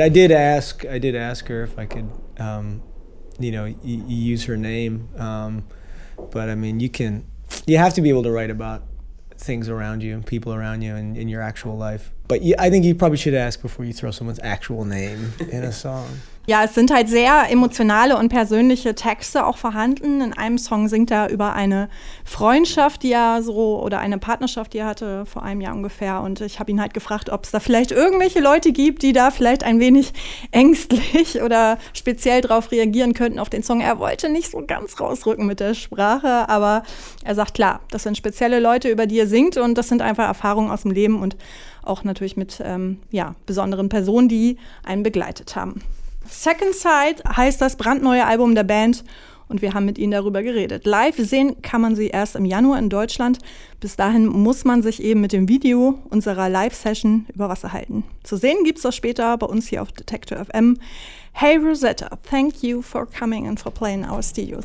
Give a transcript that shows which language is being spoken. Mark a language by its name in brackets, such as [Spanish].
[English] I did ask her if I could, use her name. But I mean, you have to be able to write about things around you and people around you and in your actual life. But I think you probably should ask before you throw someone's actual name in a song. [German] Ja, es sind halt sehr emotionale und persönliche Texte auch vorhanden. In einem Song singt er über eine Freundschaft, die er so, oder eine Partnerschaft, die er hatte vor einem Jahr ungefähr. Und ich habe ihn halt gefragt, ob es da vielleicht irgendwelche Leute gibt, die da vielleicht ein wenig ängstlich oder speziell drauf reagieren könnten auf den Song. Er wollte nicht so ganz rausrücken mit der Sprache, aber er sagt, klar, das sind spezielle Leute, über die er singt. Und das sind einfach Erfahrungen aus dem Leben und auch natürlich mit besonderen Personen, die einen begleitet haben. Second Sight heißt das brandneue Album der Band und wir haben mit ihnen darüber geredet. Live sehen kann man sie erst im Januar in Deutschland. Bis dahin muss man sich eben mit dem Video unserer Live-Session über Wasser halten. Zu sehen gibt's das später bei uns hier auf Detector FM. [English] Hey Rosetta, thank you for coming and for playing our studio.